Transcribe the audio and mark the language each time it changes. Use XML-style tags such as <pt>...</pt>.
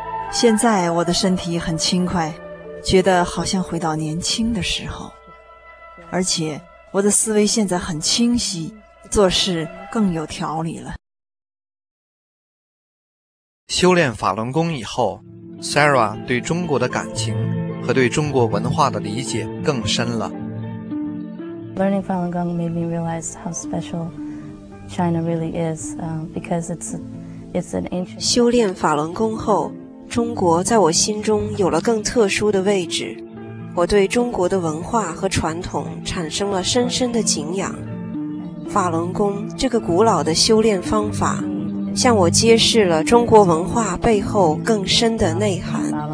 <zh>现在我的身体很轻快，觉得好像回到年轻的时候，而且我的思维现在很清晰，做事更有条理了。修炼法轮功以后， Sarah 对中国的感情和对中国文化的理解更深了。</zh> <en>Learning Falun Gong made me realize how special China really is, because it's an ancient.</en> <zh>修炼法轮功后，中国在我心中有了更特殊的位置，我对中国的文化和传统产生了深深的敬仰。法轮功这个古老的修炼方法向我揭示了中国文化背后更深的内涵。</zh>